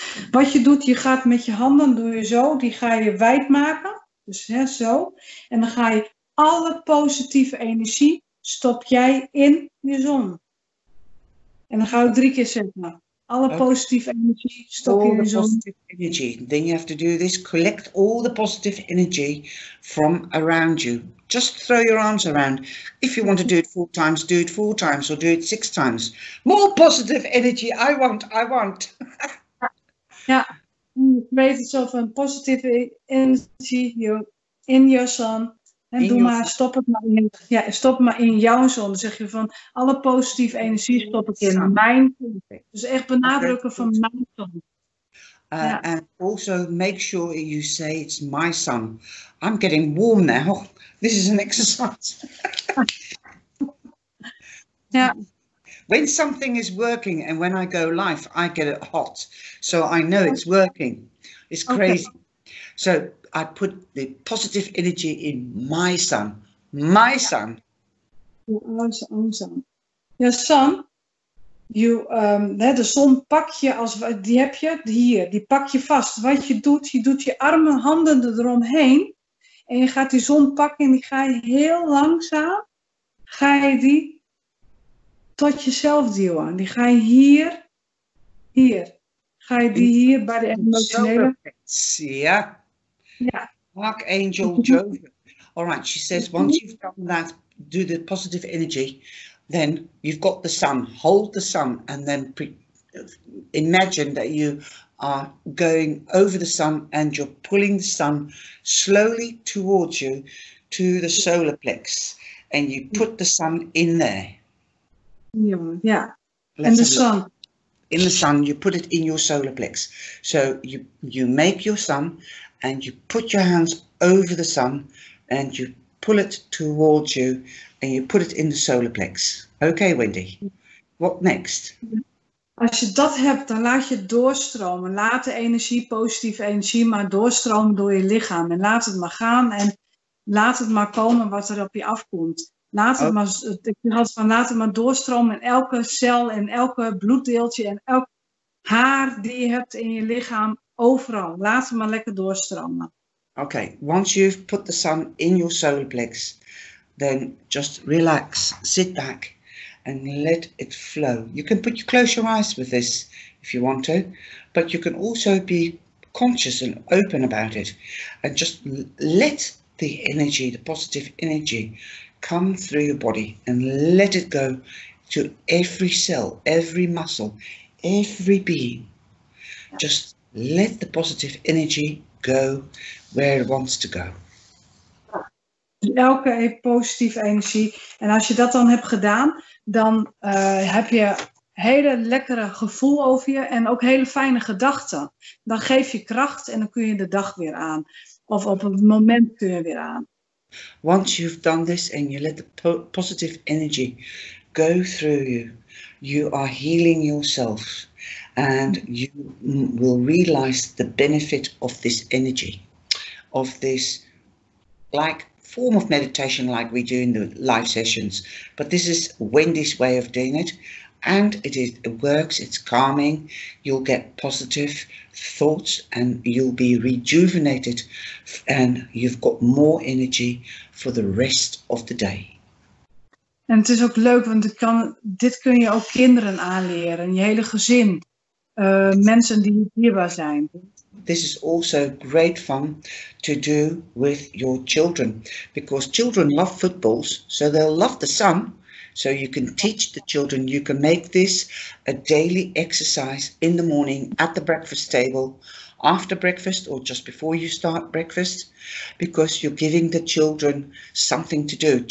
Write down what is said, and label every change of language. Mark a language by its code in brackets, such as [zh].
[nl] Wat je doet, je gaat met je handen, doe je zo. Die ga je wijd maken, dus hè, zo. En dan ga je alle positieve energie... Stop jij in je zon. En dan ga ik drie keer zeggen. Alle positieve energie stop [en] all [nl] je in je zon. [en] Positive energy. Then you have to do this. Collect all the positive energy from around you. Just throw your arms around. If you want to do it four times or do it six times. More positive energy. I want. [nl] Ja. [en] Create yourself a positive energy in your sun. [nl] En doe maar, stop het maar in. Ja, stop maar in jouw zon. Dan zeg je van alle positieve energie stop ik in mijn zon. Dus echt benadrukken van mijn zon. [en] And also make sure you say it's my son. I'm getting warm now. This is an exercise. Yeah. When something is working and when I go live, I get it hot. So I know it's working. It's crazy. Okay. So I put the positive energy in my son. My son. Your son. You, [nl] de zon pak je, als die heb je hier, die pak je vast. Wat je doet je armen, handen eromheen. En je gaat die zon pakken en die ga je heel langzaam, ga je die tot jezelf duwen. Die ga je hier, hier. Ga je die hier bij de emotionele... Ja. Archangel Jovi. [en] All right, she says, once you've done that, do the positive energy. Then you've got the sun, hold the sun, and then imagine that you are going over the sun and you're pulling the sun slowly towards you to the solar plex, and you put the sun in there. Yeah, in the sun. In the sun, you put it in your solar plex. So you make your sun and you put your hands over the sun and you pull it towards you and you put it in the solar plex. Okay, Wendy. What next? [nl] Als je dat hebt, dan laat je het doorstromen. Laat de energie, positieve energie, maar doorstromen door je lichaam. En laat het maar gaan en laat het maar komen wat er op je afkomt. Laat het maar doorstromen in elke cel en elke bloeddeeltje en elk haar die je hebt in je lichaam, overal. Laat het maar lekker doorstromen. [en] Okay, once you've put the sun in your solar plex, then just relax, sit back and let it flow. You can put close your eyes with this if you want to, but you can also be conscious and open about it and just let the energy, the positive energy, come through your body and let it go to every cell, every muscle, every being. Just let the positive energy go where it wants to go. [nl] Elke positieve energie. En als je dat dan hebt gedaan, dan heb je hele lekkere gevoel over je en ook hele fijne gedachten. Dan geef je kracht en dan kun je de dag weer aan. Of op het moment kun je weer aan. [en] Once you've done this and you let the positive energy go through you, you are healing yourself. And you will realize the benefit of this energy, of this like form of meditation like we do in the live sessions. But this is Wendy's way of doing it. And it works, it's calming. You'll get positive thoughts and you'll be rejuvenated. And you've got more energy for the rest of the day. [nl] En het is ook leuk, want dit kun je ook kinderen aanleren, je hele gezin. Mensen die dierbaar zijn. [en] This is also great fun to do with your children. Because children love footballs, so they'll love the sun. So you can teach the children, you can make this a daily exercise in the morning at the breakfast table, after breakfast or just before you start breakfast, because you're giving the children something to do.